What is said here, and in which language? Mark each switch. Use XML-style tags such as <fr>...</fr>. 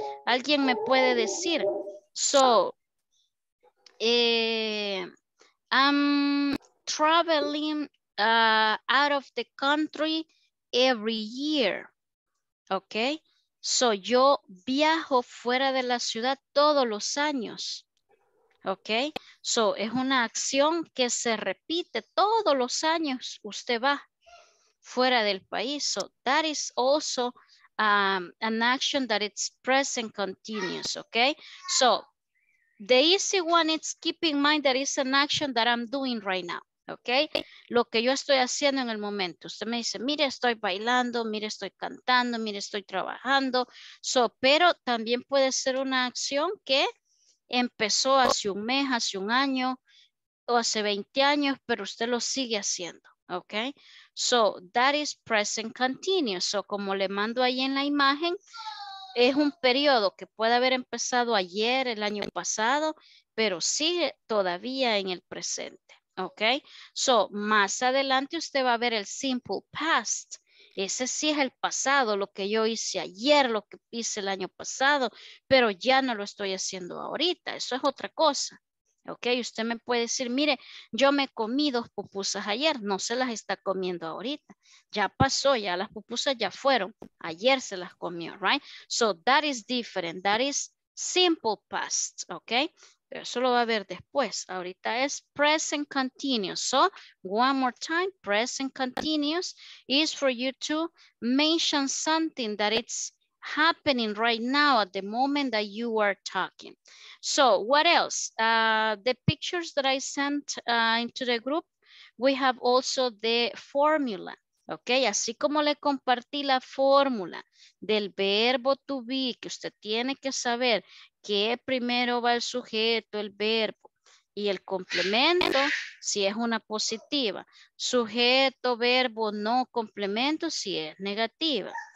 <es>Alguien me puede decir,</es> <en>so, I'm traveling out of the country every year, ok?</en> <es>So, yo viajo fuera de la ciudad todos los años. ¿Ok? So, es una acción que se repite todos los años. Usted va fuera del país.</es> <en>So, that is also an action that it's present continuous. ¿Ok? So, the easy one is keep in mind that it's an action that I'm doing right now. ¿Ok?</en> <es>Lo que yo estoy haciendo en el momento. Usted me dice, mire, estoy bailando, mire, estoy cantando, mire, estoy trabajando. So, pero también puede ser una acción que empezó hace un mes, hace un año o hace 20 años, pero usted lo sigue haciendo, ¿ok? So,</es> <en>that is present continuous.</en> <es>So, como le mando ahí en la imagen, es un periodo que puede haber empezado ayer, el año pasado, pero sigue todavía en el presente, ¿ok? So, más adelante usted va a ver el simple past. Ese sí es el pasado, lo que yo hice ayer, lo que hice el año pasado, pero ya no lo estoy haciendo ahorita. Eso es otra cosa, ¿ok? Usted me puede decir, mire, yo me comí dos pupusas ayer, no se las está comiendo ahorita. Ya pasó, ya las pupusas ya fueron, ayer se las comió, right?</es> <en>So that is different, that is simple past, ¿ok?</en> <es>Pero eso lo va a ver después. Ahorita es present continuous.</es> <en>So, one more time, present continuous is for you to mention something that it's happening right now at the moment that you are talking. So, what else? The pictures that I sent into the group, we have also the formula.</en> <es>Ok, así como le compartí la fórmula del verbo to be, que usted tiene que saber que primero va el sujeto, el verbo y el complemento, si es una positiva. Sujeto, verbo, no, complemento, si es negativa.</es>